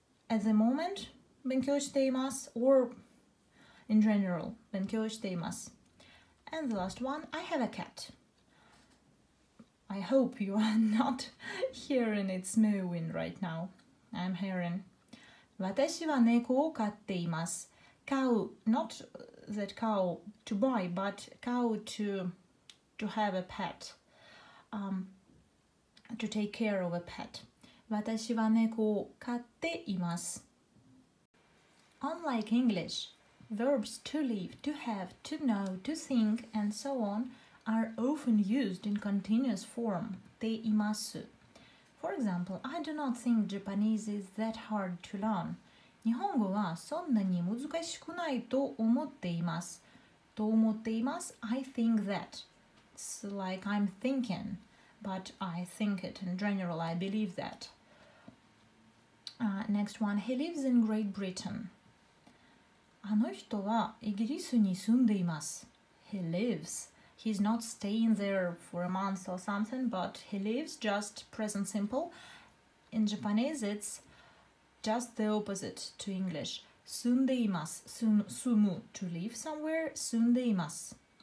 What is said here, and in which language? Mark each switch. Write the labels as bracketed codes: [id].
[en] At the moment... [ja] 勉強しています [en] or in general 勉強しています and the last one I have a cat I hope you are not hearing it snowing right now I'm hearing [ja] 私は猫を飼っています [en] cow not that cow to buy but cow to have a pet to take care of a pet [ja] 私は猫を飼っています [en] Unlike English, verbs to live, to have, to know, to think, and so on are often used in continuous form, teimasu. For For example, I do not think Japanese is that hard to learn. [ja] 日本語はそんなに難しくないと思っています。と思っています。 [en] I think that. It's like I'm thinking, but I think it in general. I believe that. Next one. He lives in Great Britain. [ja] あの人はイギリスに住んでいます。 [en] He lives. He's not staying there for a month or something, but he lives, just present simple. In Japanese, it's just the opposite to English. [ja] 住んでいます。住む。 [en] To live somewhere. [ja] 住んでいます。